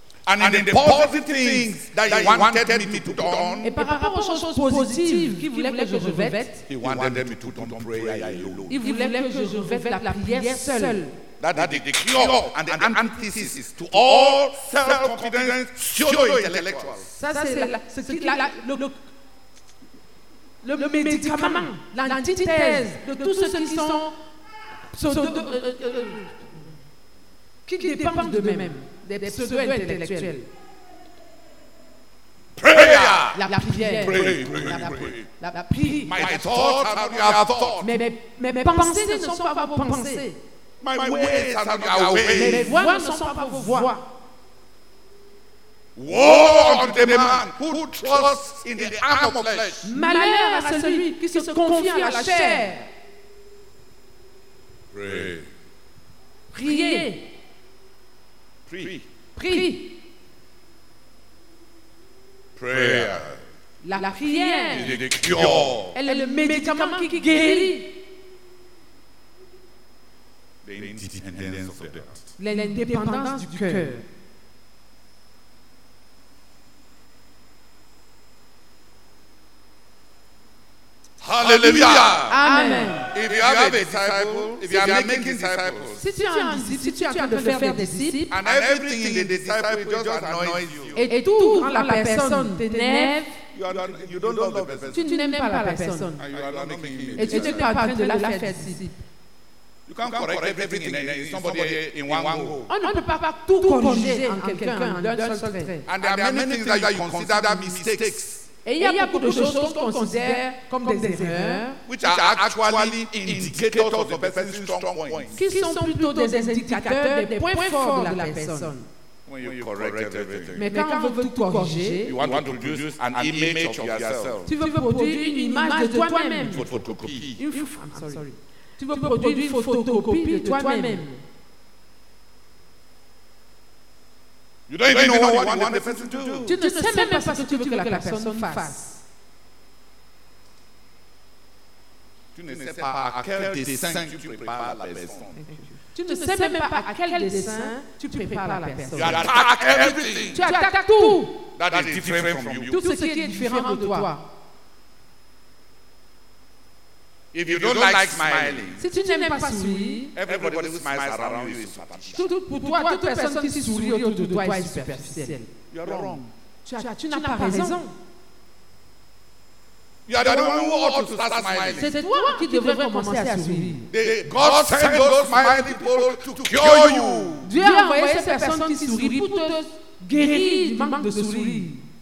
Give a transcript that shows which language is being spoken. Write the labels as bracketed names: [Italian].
[English] and in the positive things that he wanted me to put on. [French] Et par rapport aux choses positives qu'il voulait que je revête, [English] he wanted me to put on prayer alone. [French] Il voulait que je revête la prière seule. [English] That the cure and the antithesis to all self-confidence pseudo-intellectuals. [French] Ça c'est ce qui là le médicament, l'antithèse de tous ceux qui sont qui dépendent d'eux-mêmes, des pseudo-intellectuels. [English] Prayer! [French] La prière. [English] My thoughts are your thoughts. [French] Mes pensées ne sont pas vos pensées. [English] My ways are not your ways. [French] Mes voix ne sont pas vos voix. [English] Woe unto the man who trusts in the arm of flesh. [French] Malheur à celui qui se confie à la chair. [English] Pray. [French] Priez. Prie. [English] Prayer. [French] La prière. [English] Is the cure. [French] Elle est le médicament qui guérit. [English] The independence of the heart. [French] L'indépendance du cœur. [English] Hallelujah. Amen. If you have a disciple, if you are making disciples, [French] si tu es en train de faire des disciples, [English] and everything in the disciple just annoys you, [French] et tout rend la personne t'énerve, [English] you don't love the person, [French] tu n'aimes pas la personne, [English] and you are not making [French] it, et tu n'es pas en train de la faire disciple. [English] You can't correct everything in somebody in one go. [French] On ne peut pas tout corriger en quelqu'un d'un seul trait. [English] And there are many things that you consider mistakes. [French] Et il y a beaucoup de choses qu'on considère comme des erreurs, [English] which are actually indicators of the person's strong points. [French] Qui sont plutôt des indicateurs des points forts de la personne. [English] When you correct everything. [French] Mais quand on veut tout corriger, [English] you want to produce an image of yourself. [French] Tu veux produire une image de toi-même. Une photocopie. [English] I'm sorry. [French] Tu veux produire une photocopie de toi-même. [English] You don't even know what you want the person to do. [French] Tu ne sais même pas ce que tu veux que la personne fasse. Tu ne sais pas à quel dessin tu prépares la personne. Tu ne sais même pas à quel dessin tu prépares la personne. [English] You attack everything. [French] Tu attaques tout. [English] That is different from you. [French] Tout ce qui est différent de toi. [English] If you don't like smiling, [French] si tu n'aimes pas sourire, [English] everybody who smiles around you is superficial. [French] Toute personne qui sourit autour de toi est superficielle. [English] You are wrong. [French] Tu n'as pas raison. [English] You are the one who ought to start smiling. [French] C'est toi qui devrais commencer à sourire. [English] God sent those smiling people to cure you. [French] Dieu a envoyé ces personnes qui sourient pour te guérir du manque de sourire.